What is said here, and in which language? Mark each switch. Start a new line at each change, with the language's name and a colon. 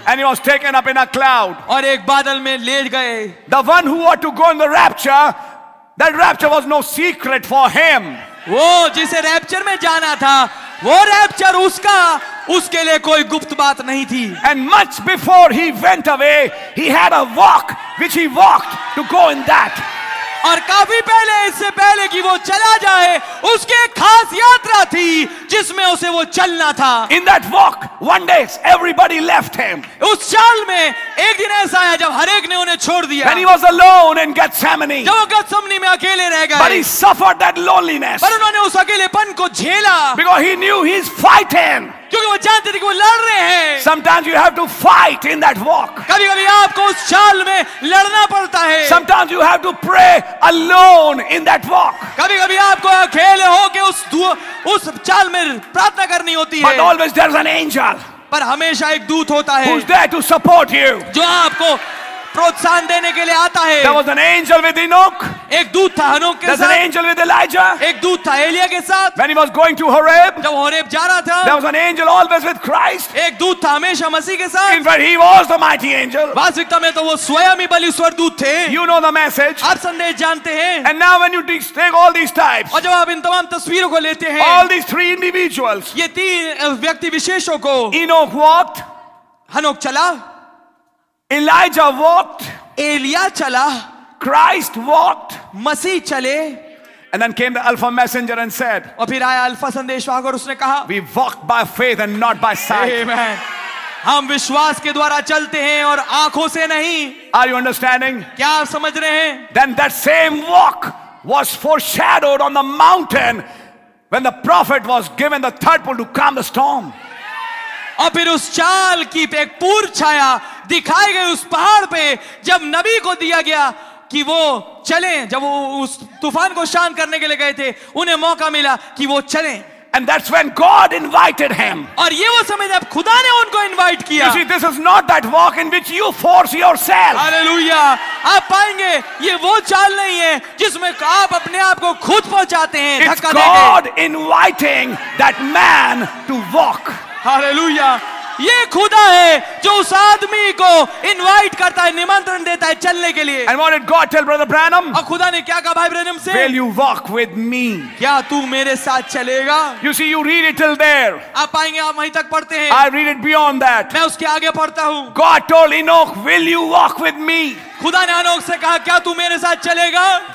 English: And he was taken up in a cloud.
Hindi: और एक बादल में ले गए.
English: The one who ought to go in the rapture, that rapture was no secret for him.
Hindi: वो जिसे रैप्चर में जाना था वो रैप्चर उसका उसके लिए कोई गुप्त बात नहीं थी.
English: And much before he went away he had a walk which he walked to go in that.
Hindi: और काफी पहले इससे पहले कि वो चला जाए उसके एक खास यात्रा थी जिसमें उसे वो चलना था.
English: In that walk, one day everybody left him.
Hindi: उस चाल में एक दिन ऐसा आया जब हर एक ने उन्हें छोड़ दिया.
English: When he was alone in Gethsemane.
Hindi: जब वो गेथसेमने में अकेले रह गए.
English: But he suffered that loneliness.
Hindi: पर उन्होंने उस अकेलेपन को झेला.
English: Because he knew he's fighting.
Hindi: क्योंकि वो जानते थे कि वो लड़ रहे हैं.
English: Sometimes you have to fight in that walk.
Hindi: कभी-कभी आपको उस चाल में लड़ना पड़ता है.
English: Sometimes you have to pray alone in that walk.
Hindi: कभी-कभी आपको अकेले होके उस चाल में प्रार्थना करनी होती है.
English: But always there's an angel.
Hindi: पर हमेशा एक दूत होता है.
English: Who's there to support you?
Hindi: जो आपको प्रोत्साहन देने के लिए आता है.
English: There was an angel with Enoch.
Hindi: एक दूत था हनोक के साथ.
English: There's an angel with Elijah.
Hindi: एक दूत था एलिया के साथ.
English: When he was going to Horeb.
Hindi: जब होरेब जा रहा था.
English: There was an angel always with Christ.
Hindi: एक दूत था हमेशा मसीह के साथ.
English: In fact, he was the mighty angel.
Hindi: वास्तविकता में तो वो स्वयं ही बलिश्वर दूत थे.
English: You know the message.
Hindi: आप संदेश जानते हैं.
English: And now when you take all these types.
Hindi: और जब आप इन तमाम तस्वीरों को लेते हैं.
English: All these three individuals.
Hindi: ये तीन व्यक्ति विशेषों को.
English: Enoch walked.
Hindi: हनोक चला.
English: Elijah walked.
Hindi: Elia chala.
English: Christ walked.
Hindi: Masih chale.
English: And then came the Alpha messenger and said.
Hindi: और फिर आया अल्फा संदेशवाहक और उसने कहा.
English: We walk by faith and not by sight. Amen.
Hindi: हम विश्वास के द्वारा चलते हैं और आँखों से नहीं.
English: Are you understanding?
Hindi: क्या आप समझ रहे हैं?
English: Then that same walk was foreshadowed on the mountain when the prophet was given the third pole to calm the storm.
Hindi: और फिर उस चाल की एक पूर्व छाया दिखाई गई उस पहाड़ पे जब नबी को दिया गया कि वो चलें. जब वो उस तूफान को शांत करने के लिए गए थे उन्हें मौका मिला कि वो चलें.
English: And that's when God invited him.
Hindi: और ये वो समय जब खुदा ने उनको इनवाइट किया.
English: You see, this is not that walk in which you force yourself. Hallelujah.
Hindi: आप पाएंगे ये वो चाल नहीं है जिसमें आप अपने आप को खुद पहुंचाते हैं.
English: It's God inviting that man to walk. Hallelujah.
Hindi: ये खुदा है जो उस आदमी को इनवाइट करता है निमंत्रण देता है चलने के लिए.
English: And what did God tell Brother Branham?
Hindi: और खुदा ने क्या कहा भाई ब्रैनम से?
English: Will you walk with me?
Hindi: क्या तू मेरे साथ चलेगा?
English: You see, you read it till there.
Hindi: आप पाएंगे आप वहीं तक पढ़ते हैं.
English: I read it beyond that.
Hindi: मैं उसके आगे पढ़ता हूँ.
English: God told Enoch, will you walk with me?
Hindi: खुदा ने अनोख से कहा क्या तू मेरे साथ चलेगा?